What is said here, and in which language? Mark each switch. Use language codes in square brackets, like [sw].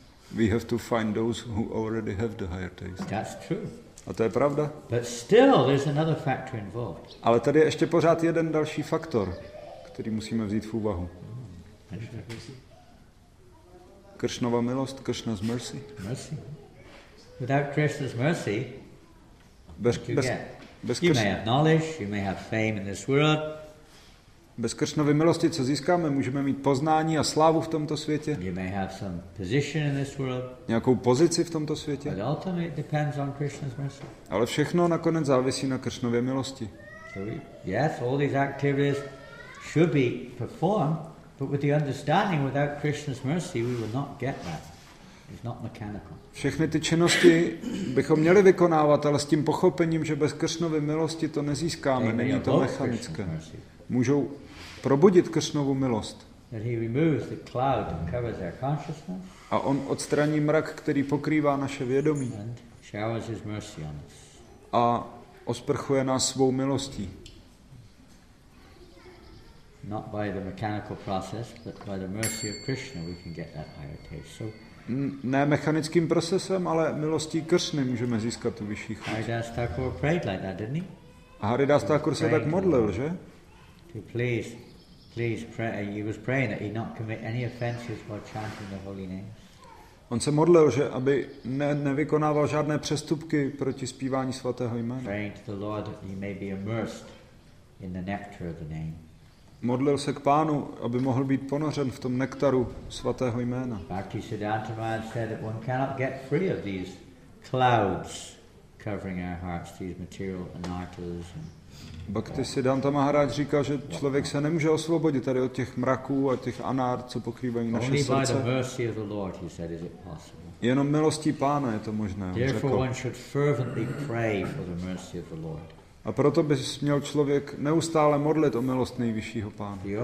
[en] We have to find those who already have the higher taste. That's true. [cs] A to je pravda. [en] But still, there's another factor involved. [cs] Ale tady je ještě pořád jeden další faktor, který musíme vzít v úvahu. Kršnova milost, [en] Kršna's mercy. Mercy. Without Krishna's mercy, [cs] bez [en] you may have knowledge, you may have fame in this world. [cs] Bez Kršnovy milosti, co získáme, můžeme mít poznání a slávu v tomto světě. [en] You may have some position in this world. [cs] Nějakou pozici v tomto světě. [en] But ultimately it depends on Krishna's mercy. [cs] Ale všechno nakonec závisí na Kršnově milosti. [en] So yes, all these activities should be performed. But with the understanding, without Krishna's mercy, we will not get that. It's not mechanical. [cs] Všechny ty činnosti bychom měli vykonávat, ale s tím pochopením, že bez Kršnovy milosti to nezískáme, není to mechanické. Můžou probudit Kršnovu milost. [en] That he removes the cloud that covers our consciousness. [cs] A on odstraní mrak, který pokrývá naše vědomí. [en] And showers his mercy on us. [cs] A osprchuje nás svou milostí. [en] Not by the mechanical process, but by the mercy of Krishna, we can get that higher taste. So, [cs] ne mechanickým procesem, ale milostí Kršny můžeme získat tu vyšší chuť. [en] Haridas Thakur prayed like that, didn't he? [cs] A Haridas Thakur se tak modlil, že? [en] To please, please pray. He was praying that he not commit any offences while chanting the holy names. [cs] On se modlil, že aby nevykonával žádné přestupky proti zpívání svatého jména. [en] Praying to the Lord that he may be immersed in the nectar of the name. [cs] Modlil se k Pánu, aby mohl být ponořen v tom nektaru svatého jména. [en] Bhaktisiddhanta Maharaj said that one cannot get free of these clouds covering our hearts, these material anartas. [cs] Bhaktisiddhanta Maharaj říká, že člověk se nemůže osvobodit tady od těch mraků a těch anár, co pokrývají naše srdce. [en] Only by the mercy of the Lord, he said, is it possible. [cs] Jenom milostí Pána je to možné. [en] Therefore one should fervently pray for the mercy of the Lord. [cs] A proto by měl člověk neustále modlit o milost nejvyššího Pána.